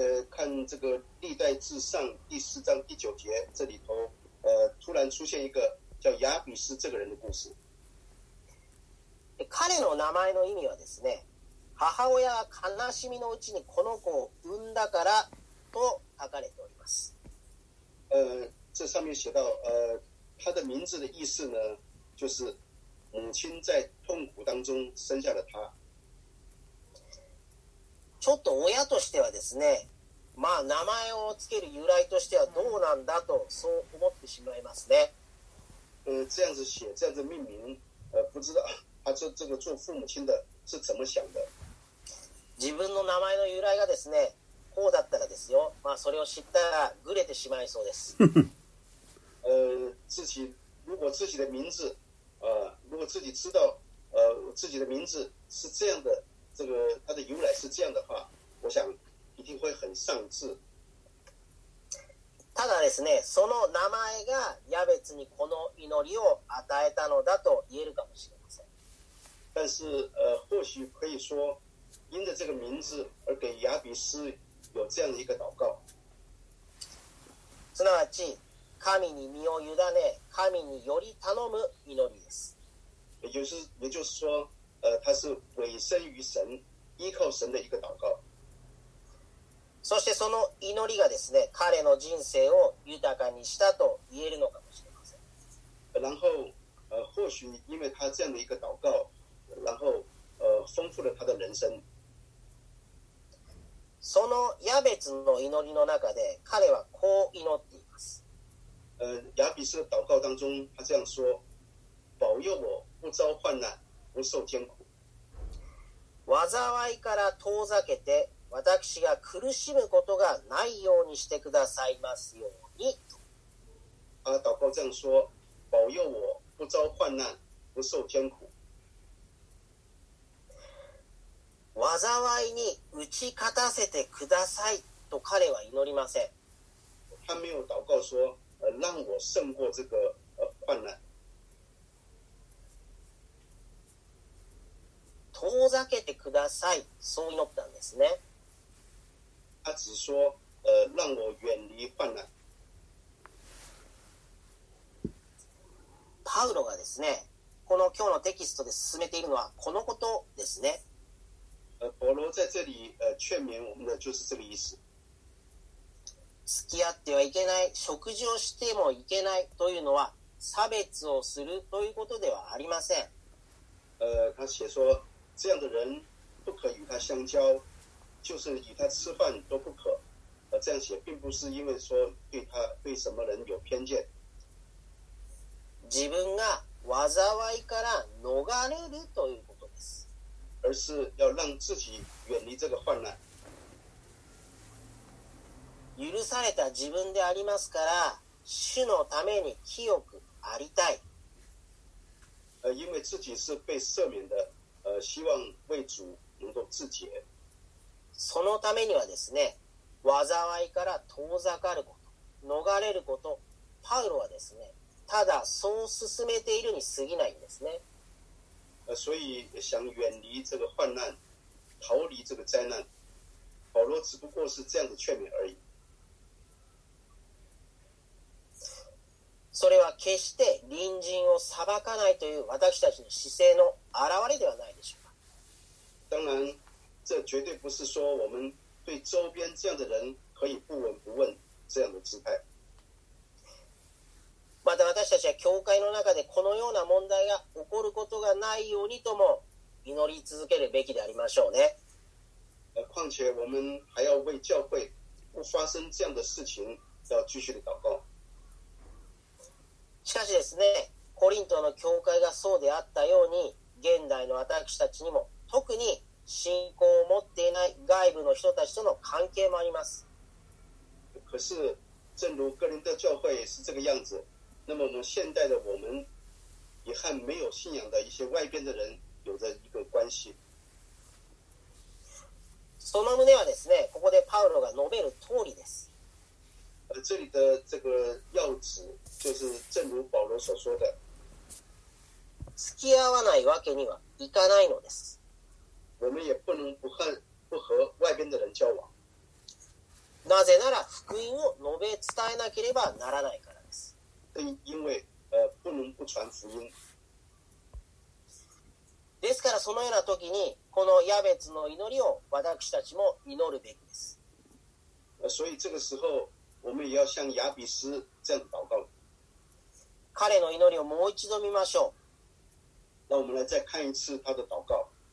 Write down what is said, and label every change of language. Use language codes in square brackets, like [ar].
[zh] 看这个历代至上第四章第九节，这里头，突然出现一个叫亚比斯这个人的故事。 [ja] 彼の名前の意味はですね、母親が悲しみのうちにこの子を産んだからと書かれております。 [zh] 这上面写到，他的名字的意思呢，就是母亲在痛苦当中生下了他。 [ja] ちょっと親としてはですね、まあ名前をつける由来としてはどうなんだとそう思ってしまいますね。 [zh] 这样子写，这样子命名，不知道他这个做父母亲的是怎么想的。 [ja] 自分の名前の由来がですね、こうだったらですよ、まあそれを知ったらグレてしまいそうです。 [zh] 自己如果自己的名字，如果自己知道自己的名字是这样的，这个它的由来是这样的话，我想一定会很上智。 [ja] ただですね、その名前がヤベツにこの祈りを与えたのだと言えるかもしれません。 [zh] 但是或许可以说因着这个名字而给ヤビス有这样的一个祷告。 [ja] すなわち神に身を委ね、神により頼む祈りです。 [zh] 也就是说他是委身于神、依靠神的一个祷告。 [ja] そしてその祈りがですね、彼の人生を豊かにしたと言えるのかもしれません。 [zh] 然后或许因为他这样的一个祷告，然后丰富了他的人生。 [ja] そのヤベツの祈りの中で彼はこう祈っています。 [zh] ヤビスの祷告当中、他这样说：保佑我不遭患难、不受艰苦。 [ja] 災いから遠ざけて。私が苦しむことがないようにしてくださいますように。 [zh] 他祷告这样说：保佑我不遭患难、不受艰苦。 [ja] 災いに打ち勝たせてくださいと彼は祈りません。 [zh] 他没有祷告说：让我胜过这个患难。 [ja] 遠ざけてください、そう祈ったんですね。 [zh] 他只说让我远离患难。 [ja] パウロがですね、この今日のテキストで進めているのはこのことですね。 [zh] 保罗在这里劝勉我们的就是这个意思。 [ja] 付き合ってはいけない、食事をしてもいけないというのは差別をするということではありません。 [zh] 他写说这样的人不可与他相交。就是与他吃饭都不可，这样写并不是因为说对他对什么人有偏见。 [ja] 自分が災いから逃れるということです。 [zh] 而是要让自己远离这个患难。 [ja] 許された自分でありますから、主のために清くありたい。 [zh] 因为自己是被赦免的，希望为主能够自洁。 [ja] そのためにはですね、災いから遠ざかること、逃れること、パウロはですね、ただそう進めているに過ぎないんですね。 [zh] 所以想远离这个患难、逃离这个灾难、保罗只不过是这样的劝勉而已。 [ja] それは決して隣人を裁かないという私たちの姿勢の表れではないでしょうか。 [zh] 当然。这绝对不是说我们对周边这样的人可以不闻不问这样的姿态。 [ja] また私たちは教会の中でこのような問題が起こることがないようにとも祈り続けるべきでありましょうね。 [zh] 况且我们还要为教会不发生这样的事情要继续的祷告。 [ja] しかしですね、コリントの教会がそうであったように現代の私たちにも特に信仰を持っていない外部の人たちとの関係もあります。 [zh] 可是、正如哥林德教会也是这个样子、那么我们现代的我们也和没有信仰的一些外边的人有着一个关系。 [ja] その旨はですね、ここでパウロが述べる通りです。 [zh] 这里的这个要旨就是正如保罗所说的。 [ja] 付き合わないわけにはいかないのです。 [zh] 我们也不能不和外边的人交往。 [ja] なぜなら福音を述べ伝えなければならないからです。 [zh] 因为不能不传福音。 [ja] ですからそのような時にこのヤベツの祈りを私たちも祈るべきです。 [zh] 所以这个时候我们也要像亚比斯这样祷告。 [ja] 彼の祈りをもう一度見ましょう。 [zh] 那我们来再看一次他的祷告。